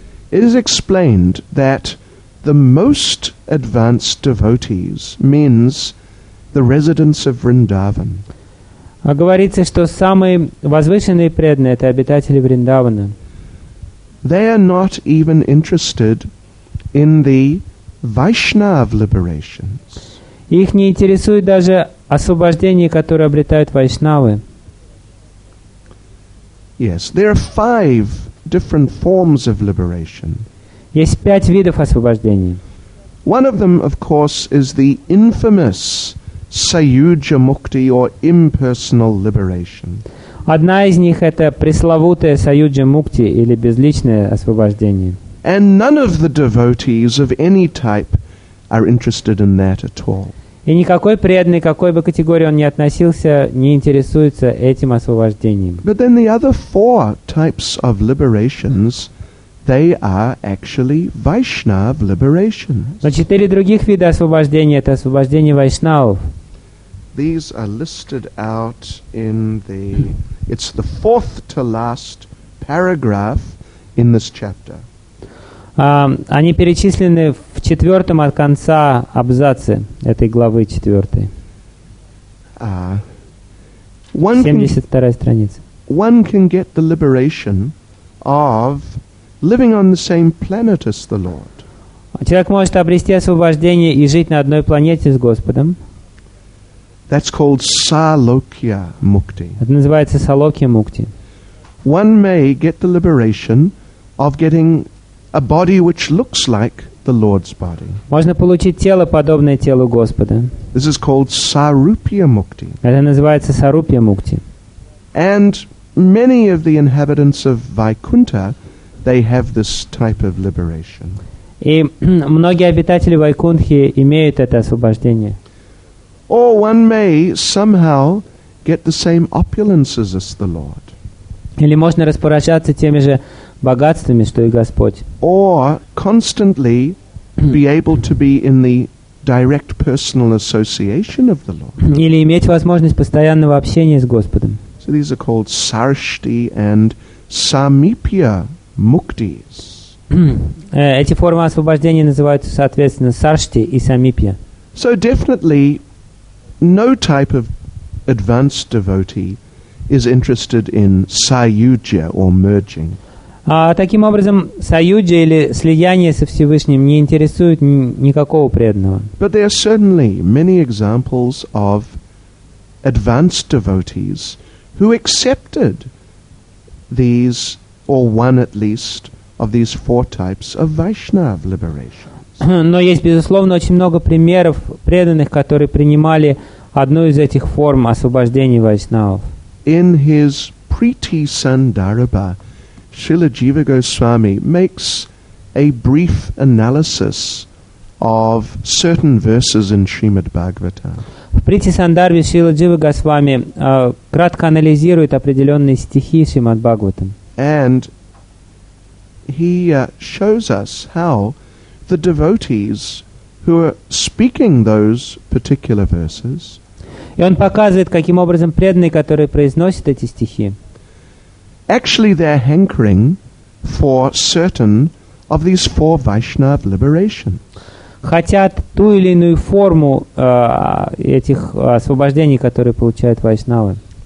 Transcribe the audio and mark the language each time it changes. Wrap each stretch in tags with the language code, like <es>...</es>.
<en>It is explained that the most advanced devotees means the residents of Vrindavan.</en> <ru>А говорится, что самые возвышенные преданные — это обитатели Вриндавана.</ru> <en>They are not even interested in the Vaishnav liberations.</en> <ru>Их не интересует даже освобождение, которое обретают вайшнавы.</ru> <en>Yes, there are five different forms of liberation.</en> <ru>Есть пять видов освобождения.</ru> <en>One of them, of course, is the infamous Sayujya Mukti or impersonal liberation.</en> <ru>Одна из них — это пресловутая Sayujya Mukti или безличное освобождение.</ru> <en>And none of the devotees of any type are interested in that at all.</en> <ru>И никакой преданный, какой бы категории он ни относился, не интересуется этим освобождением.</ru> <en>But then the other four types of liberations, they are actually Vaishnav liberations.</en> <ru>Но четыре других вида освобождения — это освобождение вайшнавов.</ru> <en>These are listed out in the... It's the fourth to last paragraph in this chapter.</en> <ru>Они перечислены в четвертом от конца абзаце этой главы четвертой. 72-я страница.</ru> <en>One can get the liberation of living on the same planet as the Lord.</en> <ru>Человек может обрести освобождение и жить на одной планете с Господом.</ru> <en>That's called Salokya Mukti.</en> <ru>Это называется Салокья Мукти.</ru> <en>One may get the liberation of getting a body which looks like the Lord's body.</en> <ru>Можно получить тело, подобное телу Господа.</ru> <en>This is called Sarupya Mukti.</en> <ru>Это называется Сарупья Мукти.</ru> <en>And many of the inhabitants of Vaikunta, they have this type of liberation.</en> <ru>И многие обитатели Вайкунтхи имеют это освобождение.</ru> <en>Or one may somehow get the same opulences as the Lord.</en> <ru>Или можно распоряжаться теми же богатствами, что и Господь.</ru> <en>Or constantly be able to be in the direct personal association of the Lord.</en> <ru>Или иметь возможность постоянного общения с Господом.</ru> <en>So these are called Sarshti and Samipya Muktis.</en> <ru>Эти формы освобождения называются, соответственно, Сарште и Самипья.</ru> <en>So definitely no type of advanced devotee is interested in Sayujya or merging.</en> <ru>Таким образом, Саюджа или слияние со Всевышним не интересует никакого преданного.</ru> <en>But there are certainly many examples of advanced devotees who accepted these, or one at least, of these four types of Vaishnav liberation.</en> <ru>Но есть, безусловно, очень много примеров преданных, которые принимали одну из этих форм освобождения вайшнавов.</ru> <en>In his Priti Sandarbha, Srila Jiva Goswami makes a brief analysis of certain verses in Srimad Bhagavatam.</en> <ru>В Прити Сандарбе Шрила Джива Госвами кратко анализирует определенные стихи Шримад Бхагаватам.</ru> <en>And he shows us how the devotees who are speaking those particular verses.</en> <ru>И он показывает, каким образом преданные, которые произносят эти стихи,</ru> <en>actually they're hankering for certain of these four Vaishnav liberations.</en> <ru>Хотят ту или иную форму этих освобождений, которые получают вайшнавы.</ru>